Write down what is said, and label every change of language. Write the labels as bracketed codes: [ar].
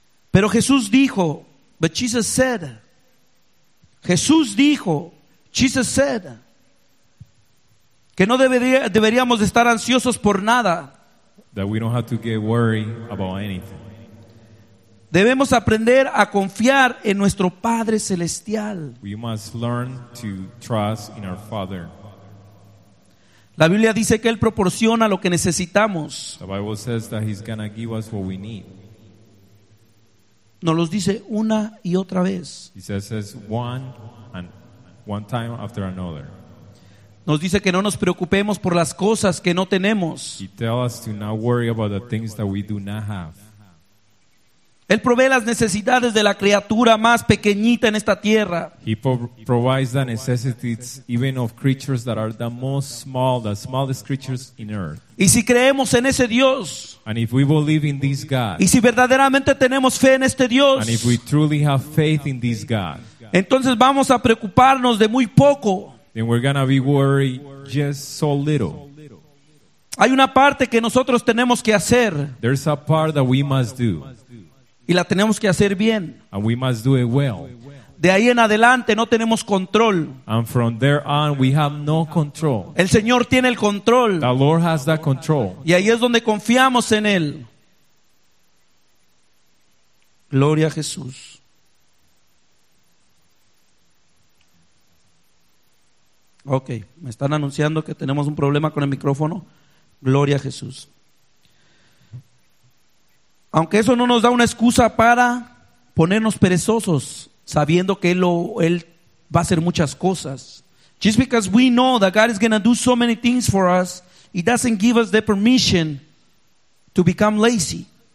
[es] Pero Jesús dijo, [en] but Jesus said, [es] Jesús dijo, [en] Jesus said, [es] que no deberíamos estar ansiosos por nada. [en] That we don't have to get worried about anything. [es] Debemos aprender a confiar en nuestro Padre Celestial. [en] We must learn to trust in our Father. [es] La Biblia dice que Él proporciona lo que necesitamos. [en] The Bible says that He's going to give us what we need. [es] Nos los dice una y otra vez. [en] He says it's one time after another. [es] Nos dice que no nos preocupemos por las cosas que no tenemos. [en] He tells us to not worry about the things that we do not have. [es] Él provee las necesidades de la criatura más pequeñita en esta tierra. [en] He provides the necessities even of creatures that are the most small, the smallest creatures in earth. [es] Y si creemos en ese Dios, [en] and if we believe in this God, [es] y si verdaderamente tenemos fe en este Dios, [en] and if we truly have faith in this God, [es] entonces vamos a preocuparnos de muy poco. [en] Then we're gonna be worried just so little. [es] Hay una parte que nosotros tenemos que hacer. [en] There's a part that we must do. [es] Y la tenemos que hacer bien. [en] And we must do it well. [es] De ahí en adelante no tenemos control. [en] And from there on we have no control. [es] El Señor tiene el control. [en] The Lord has that control. [es] Y ahí es donde confiamos en Él. Gloria a Jesús. Ok, me están anunciando que tenemos un problema con el micrófono. Gloria a Jesús. Aunque eso no nos da una excusa para ponernos perezosos, sabiendo que él va a hacer muchas cosas. [en] Just because we know that God is going to do so many things for us, it doesn't give us the permission to become lazy.